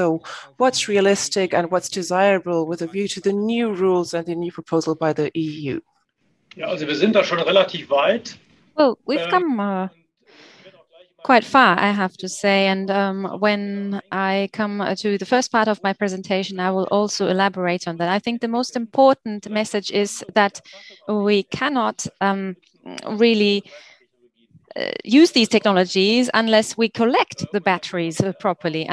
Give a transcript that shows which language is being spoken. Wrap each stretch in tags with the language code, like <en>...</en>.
<en>So what's realistic and what's desirable with a view to the new rules and the new proposal by the EU?</en> <de>Yeah, also wir sind da schon relativ weit.</de> <en>Well, we've come quite far, I have to say. And when I come to the first part of my presentation, I will also elaborate on that. I think the most important message is that we cannot really use these technologies unless we collect the batteries properly.</en>